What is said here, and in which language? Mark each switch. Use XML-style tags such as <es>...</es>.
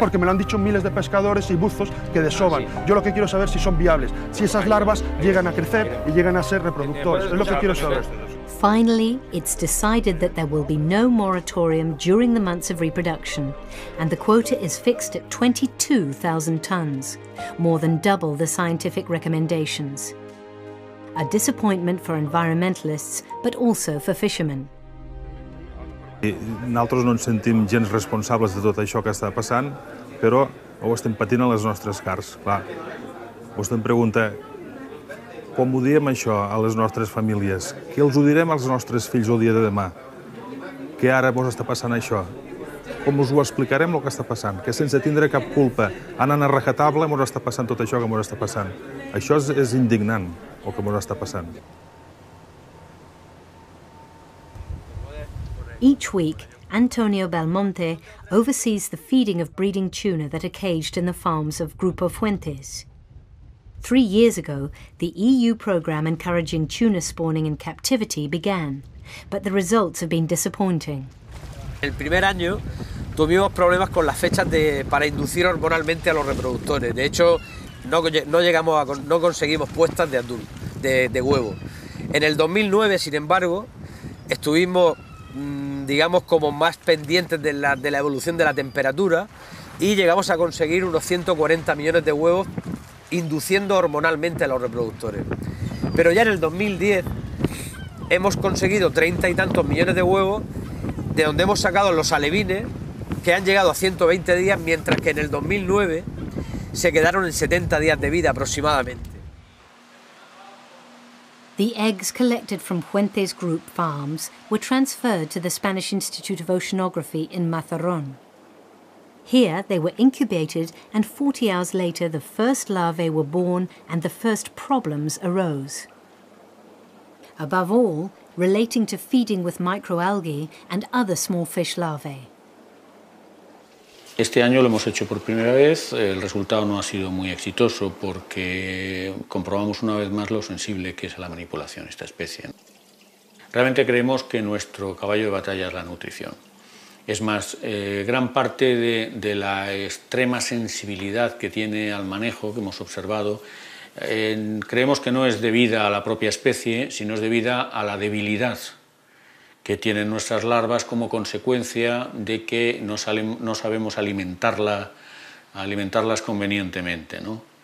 <es>Porque me lo han dicho miles de pescadores y buzos que desovan. Ah, sí. Yo lo que quiero saber es si son viables, si esas larvas llegan a crecer y llegan a ser reproductores. Es lo que quiero saber.</es> <en>Finally, it's decided that there will be no moratorium during the months of reproduction, and the quota is fixed at 22,000 tons, more than double the scientific recommendations. A disappointment for environmentalists, but also for fishermen.</en> <ca>Nosaltres no ens sentim gens responsables de tot això que està passant, però ho estem patint a les nostres carns. Clar, vostè em pregunta com ho diem això a les nostres famílies? Què els ho direm als nostres fills el dia de demà? Què ara vos està passant això? Com us ho explicarem, el que està passant? Que sense tindre cap culpa, anant a recatable, mos està passant tot això que mos està passant. Això és indignant.</ca> <es>O que está pasando.</es> <en>Each week, Antonio Belmonte oversees the feeding of breeding tuna that are caged in the farms of Grupo Fuentes. 3 years ago, the EU program encouraging tuna spawning in captivity began, but the results have been disappointing.</en> <es>El primer año tuvimos problemas con las fechas de para inducir hormonalmente a los reproductores. De hecho, no conseguimos puestas de atún, de huevo. En el 2009, sin embargo, estuvimos, digamos, como más pendientes de la evolución de la temperatura y llegamos a conseguir unos 140 millones de huevos induciendo hormonalmente a los reproductores. Pero ya en el 2010 hemos conseguido 30 y tantos millones de huevos, de donde hemos sacado los alevines, que han llegado a 120 días, mientras que en el 2009 se quedaron en 70 días de vida aproximadamente.</es> <en>The eggs collected from Fuentes Group farms were transferred to the Spanish Institute of Oceanography in Mazarrón. Here they were incubated and 40 hours later the first larvae were born and the first problems arose. Above all, relating to feeding with microalgae and other small fish larvae.</en> <es>Este año lo hemos hecho por primera vez, el resultado no ha sido muy exitoso porque comprobamos una vez más lo sensible que es a la manipulación esta especie. Realmente creemos que nuestro caballo de batalla es la nutrición. Es más, gran parte de la extrema sensibilidad que tiene al manejo que hemos observado, creemos que no es debida a la propia especie, sino es debida a la debilidad que tienen nuestras larvas como consecuencia de que no sabemos alimentarlas convenientemente, ¿no?</es>